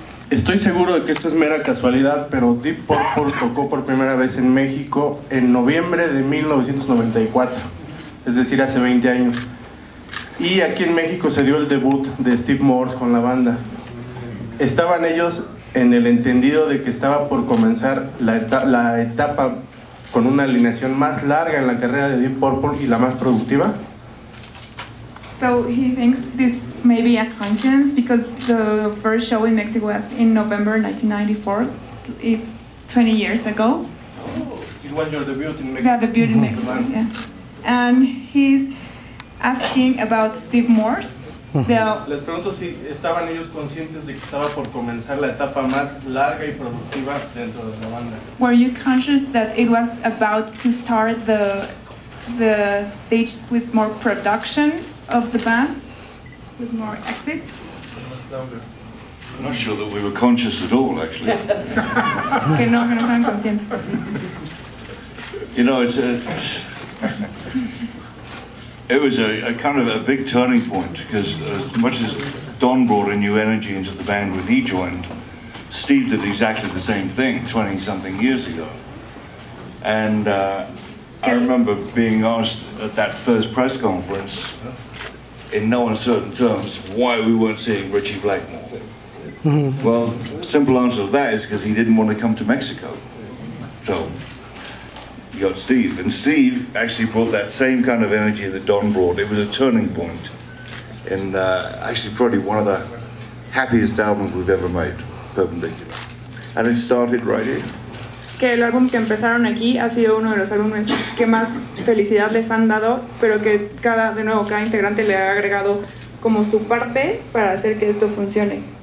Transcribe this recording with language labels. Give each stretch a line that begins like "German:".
Spanish: Estoy seguro de que esto es mera casualidad, pero Deep Purple tocó por primera vez en México en noviembre de 1994, es decir, hace 20 años. Y aquí en México se dio el debut de Steve Morse con la banda. Estaban ellos en el entendido de que estaba por comenzar la etapa con una alineación más larga en la carrera de Deep Purple y la más productiva.
English: So he thinks this may be a coincidence because the first show in Mexico was in November 1994, 20 years ago. Oh, it was your debut in Mexico. Yeah, debut in Mexico, yeah. And he's asking about Steve Morse.
Spanish: Les pregunto si estaban ellos conscientes de que estaba por comenzar la etapa más larga y productiva dentro de la banda.
English: Were you conscious that it was about to start the stage with more production of the band, with more exit? I'm not sure that we were conscious at all, actually.
Spanish: Que no, que no están conscientes.
English: You know, it's a... It was a kind of a big turning point, because as much as Don brought a new energy into the band when he joined, Steve did exactly the same thing 20-something years ago. And I remember being asked at that first press conference, in no uncertain terms, why we weren't seeing Richie Blackmore. Well, simple answer to that is because he didn't want to come to Mexico. So, you got Steve. And Steve actually brought that same kind of energy that Don brought. It was a turning point. And actually probably one of the happiest albums we've ever made, Perpendicular. And it started right here.
Spanish: Que el álbum que empezaron aquí ha sido uno de los álbumes que más felicidad les han dado, pero que cada, de nuevo, cada integrante le ha agregado como su parte para hacer que esto funcione.